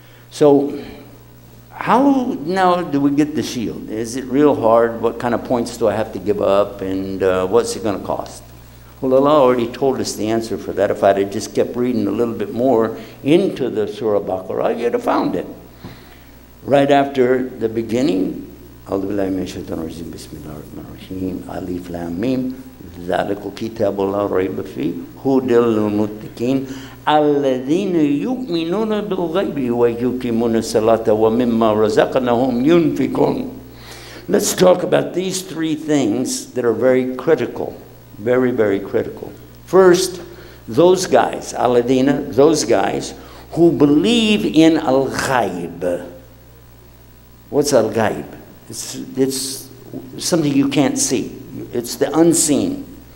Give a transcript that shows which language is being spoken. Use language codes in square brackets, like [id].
[en] So, how now do we get the shield? Is it real hard? What kind of points do I have to give up? And what's it going to cost? Well, Allah already told us the answer for that. If I had just kept reading a little bit more into the Surah Baqarah, you'd have found it. Right after the beginning, [ar] أَوْلُ بِاللَّهِ مِنْ شَيْطَانِ الرَّجِيمِ بِسْمِ اللَّهِ الرَّحْمَنِ الرَّحِيمِ أَلِفْ لَمْ مِيمْ ذَلِكَ الْكِتَابُ لَا رَيْبَ فِيهِ هُدًى لِلْمُتَّقِينَ الَّذِينَ يُؤْمِنُونَ بِالْغَيْبِ وَيُقِيمُونَ الصَّلَاةَ وَمِمَّا رَزَقْنَاهُمْ يُنْفِقُونَ. [en] Let's talk about these three things that are very critical. Very, very critical. First, those guys, Aladina, those guys who believe in al-ghayb. What's al-ghayb? It's something you can't see. It's the unseen.